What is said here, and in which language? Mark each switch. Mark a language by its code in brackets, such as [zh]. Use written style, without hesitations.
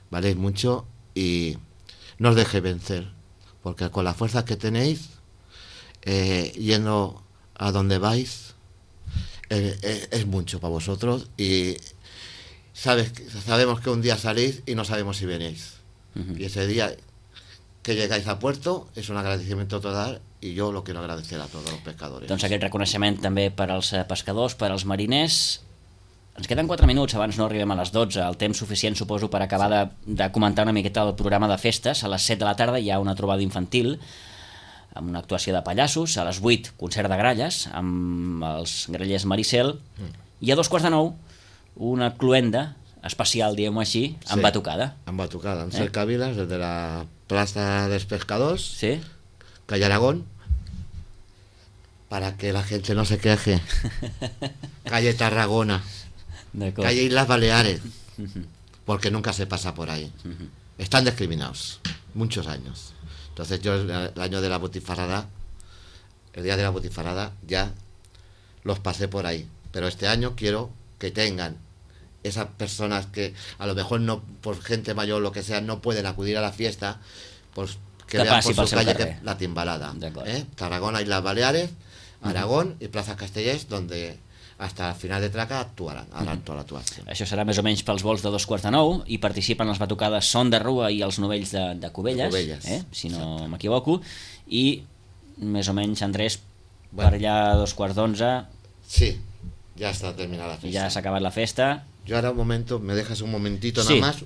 [es] Valéis mucho y no os dejéis vencer. Porque con las fuerzas que tenéis, yendo a donde vais, es mucho para vosotros. Y sabemos que un día salís y no sabemos si venís. Uh-huh. Y ese día que llegáis a puerto es un agradecimiento total. I jo lo quiero agradecer a todos los pescadores. [ca] Doncs aquest reconeixement també per als pescadors, per als mariners. Ens queden 4 minuts abans no arribem a les 12, el temps suficient suposo per acabar de comentar una miqueta el programa de festes. A les 7 de la tarda hi ha una trobada infantil amb una actuació de pallassos, a les 8 concert de gralles amb els grallers Maricel, i a 8:45 una cluenda especial, diguem-ho així, amb batucada. Sí, amb batucada, amb cercaviles des de la plaça dels pescadors. Sí. [es] Calle Aragón, para que la gente no se queje. Calle Tarragona, calle Islas Baleares, porque nunca se pasa por ahí. Están discriminados muchos años. Entonces yo el año de la butifarrada, el día de la butifarrada, ya los pasé por ahí. Pero este año quiero que tengan esas personas que a lo mejor no, por gente mayor o lo que sea, no pueden acudir a la fiesta, pues que vean por su calle que la Timbalada, Tarragona, Islas Baleares, Aragón, uh-huh, y Plaza Castellers, donde hasta el final de traca actuaran, harán toda la actuación. [ca] Això serà més o menys pels vols de 8:45, i participen les batucades Son de Rua i els Novells de Cubelles, si no m'equivoco, i més o menys, Andrés, bueno, per allà a 10:45... Sí, ja està terminada la festa. Ja s'ha acabat la festa. [es] Yo ahora un momento, ¿me dejas un momentito nada más?